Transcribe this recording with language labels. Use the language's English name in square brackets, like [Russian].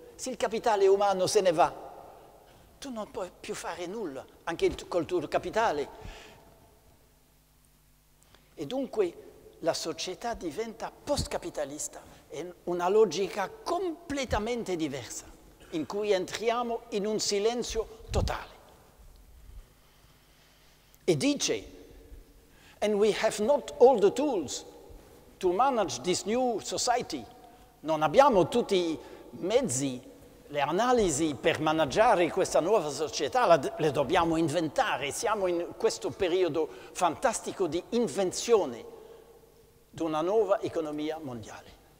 [Italian] Se il capitale umano se ne va, tu non puoi più fare nulla, anche col tuo capitale. E dunque la società diventa post-capitalista, è una logica completamente diversa, in cui entriamo in un silenzio totale. [English] E dice, and we have not all the tools to manage this new society. [Italian] Non abbiamo tutti i mezzi, le analisi per managgiare questa nuova società, le dobbiamo inventare. Siamo in questo periodo fantastico di invenzione di una nuova economia mondiale.